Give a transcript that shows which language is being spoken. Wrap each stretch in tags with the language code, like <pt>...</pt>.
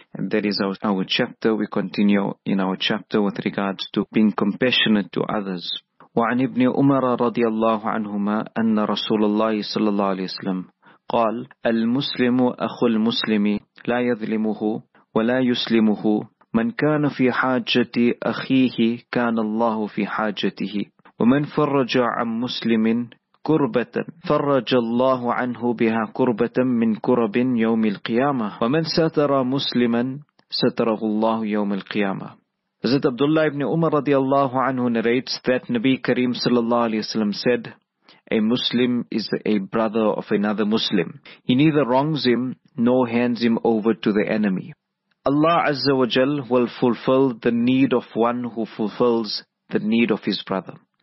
<en>That is our chapter. We continue in our chapter with regards to being compassionate to others.</en> <ar>وعن ابن عمر رضي الله عنهما أن رسول الله صلى الله عليه وسلم قال المسلم أخو المسلم لا يظلمه ولا يسلمه من كان في حاجة أخيه كان الله في حاجته ومن فرج عن مسلم كربة فرج الله عنه بها كربة من كرب يوم القيامة ومن ستر مسلما ستره الله يوم القيامة.</ar> <en>Hazrat Abdullah ibn Umar radiallahu anhu narrates that Nabi Kareem sallallahu alayhi wa sallam said, a Muslim is a brother of another Muslim. He neither wrongs him nor hands him over to the enemy. Allah Azza wa Jal will fulfill the need of one who fulfills the need of his brother.</en>